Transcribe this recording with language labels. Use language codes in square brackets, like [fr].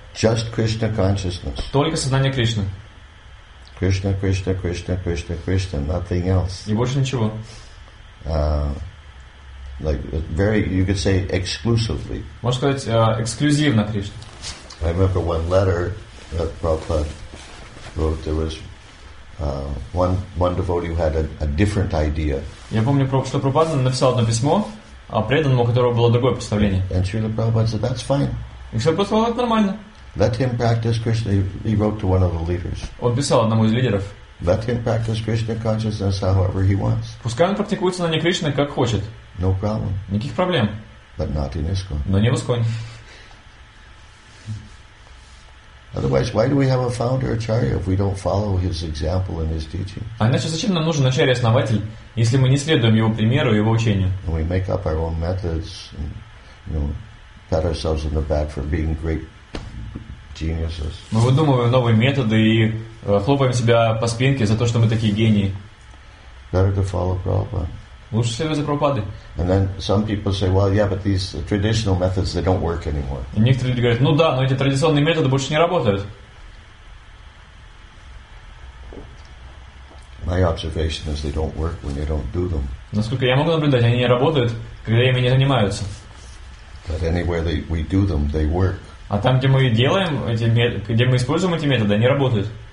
[en] Just Krishna consciousness. [ru] Только сознание Кришны. [en] Krishna, Krishna, Krishna, Krishna, Krishna, nothing else. [ru] И больше ничего. [en] Like very, you could say exclusively. [ru] Можно сказать эксклюзивно Кришна. [en] I remember one letter that Prabhupada wrote. There was one devotee who had a different idea. [ru] Я помню, что Прабхупада написал одно письмо о преданном, у которого было другое представление. [en] And Srila Prabhupada said, that's fine. [ru] И Шрила Прабхупада сказал, это нормально. [en] Let him practice Krishna. He wrote to one of the leaders. [ru] Он писал одному из лидеров. [en] Let him practice Krishna consciousness however he wants. [ru] Пускай он практикует сознание Кришны как хочет. [en] No problem. [ru] Никаких проблем. [en] But not in ISKCON. [ru] Но не в ИСККОНе. [en] Otherwise, why do we have a founder acharya if we don't follow his example and his teaching? [ru] А иначе зачем нам нужен ачарья основатель, если мы не следуем его примеру и его учению? [en] And we make up our own methods, and, you know, pat ourselves on the back for being great geniuses. [ru] Мы выдумываем новые методы и хлопаем себя по спинке за то, что мы такие гении. [en] Better to follow Prabhupada. [ru] Лучше следовать за Прабхупадой. [en] And then some people say, well, yeah, but these traditional methods, they don't work anymore. [ru] И некоторые люди говорят, ну да, но эти традиционные методы больше не работают. [en] My observation is they don't work when you don't do them. [ru] Насколько я могу наблюдать, они не работают, когда ими не занимаются. [en] But anywhere they, we do them, they work. [ru] А там, где мы делаем эти методы, где мы используем эти методы, они работают.